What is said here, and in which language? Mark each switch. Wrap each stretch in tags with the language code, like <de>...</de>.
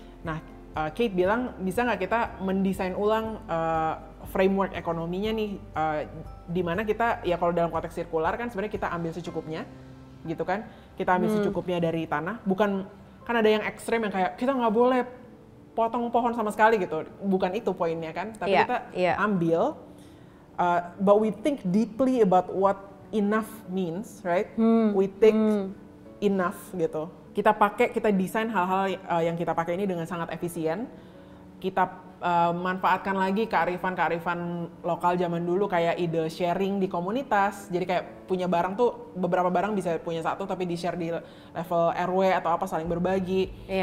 <id>Nah, Kate bilang, bisa nggak kita mendesain ulang framework ekonominya nih, dimana kita, ya kalau dalam konteks sirkular kan sebenarnya kita ambil secukupnya, gitu kan. Kita ambil secukupnya dari tanah, bukan, kan ada yang ekstrem yang kayak, kita nggak boleh potong pohon sama sekali gitu, bukan itu poinnya kan. Tapi ambil,</id> <en>but we think deeply about what enough means, right? We take enough gitu.</en> <id>Kita pakai, kita desain hal-hal yang kita pakai ini dengan sangat efisien. Kita manfaatkan lagi kearifan-kearifan lokal zaman dulu, kayak ide sharing di komunitas. Jadi kayak punya barang tuh, beberapa barang bisa punya satu tapi di share di level RW atau apa, saling berbagi.</id>